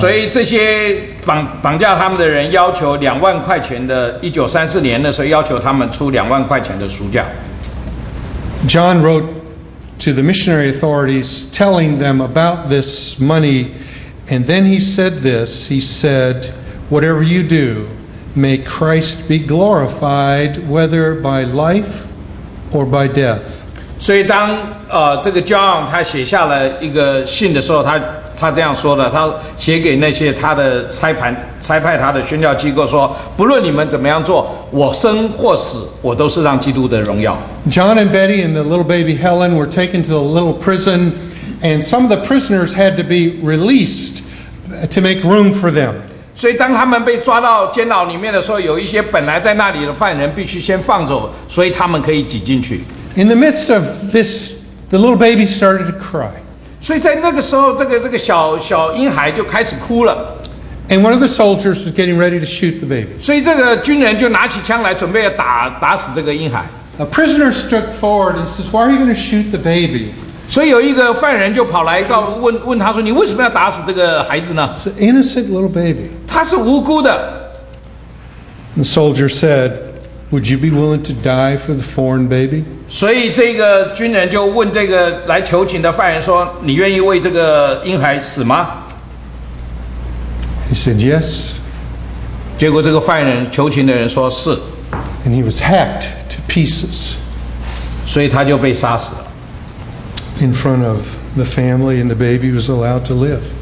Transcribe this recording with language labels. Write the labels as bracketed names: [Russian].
[Chinese] 所以这些绑架他们的人要求20,000块钱的。 1934年的时候，要求他们出20,000块钱的赎价。 [English] John wrote to the missionary authorities, telling them about this money. And then he said this, he said, whatever you do, may Christ be glorified, whether by life or by death. [Chinese] 所以当这个 John 他写下了一个信的时候，他这样说的，他写给那些他的差派他的宣教机构说，不论你们怎么样做，我生或死，我都是让基督的荣耀。 [English] John and Betty and the little baby Helen were taken to the little prison. And some of the prisoners had to be released to make room for them. [Chinese] 所以当他们被抓到监牢里面的时候，有一些本来在那里的犯人必须先放走，所以他们可以挤进去。 [English] In the midst of this, the little baby started to cry. [Chinese] 所以在那个时候，这个小婴孩就开始哭了。 [English] And one of the soldiers was getting ready to shoot the baby. [Chinese] 所以这个军人就拿起枪来准备要打死这个婴孩。 [English] A prisoner stood forward and says, "Why are you going to shoot the baby?" [Chinese] 所以有一个犯人就跑来告问他说：“你为什么要打死这个孩子呢？” [English] It's an innocent little baby. [Chinese] 他是无辜的。 [English] The soldier said, "Would you be willing to die for the foreign baby?" [Chinese] 所以这个军人就问这个来求情的犯人说：“你愿意为这个婴孩死吗？” [English] He said, "Yes." [Chinese] 结果这个犯人求情的人说：“是。” [English] And he was hacked to pieces. [Chinese] 所以他就被杀死了。 [English] In front of the family, and the baby was allowed to live.